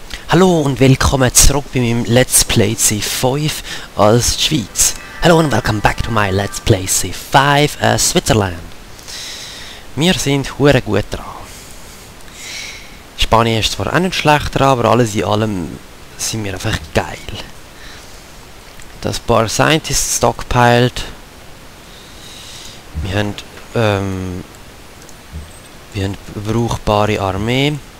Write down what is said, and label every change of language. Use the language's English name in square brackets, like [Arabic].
[German] Hallo und willkommen zurück bei meinem Let's Play C5 als Schweiz. Hallo und [English] welcome back to my Let's Play C5 as Switzerland. [German] Wir sind hure gut dran. Spanien ist zwar auch nicht schlechter, aber alles in allem sind wir einfach geil. Das paar Scientists stockpiled. Wir haben eine brauchbare Armee.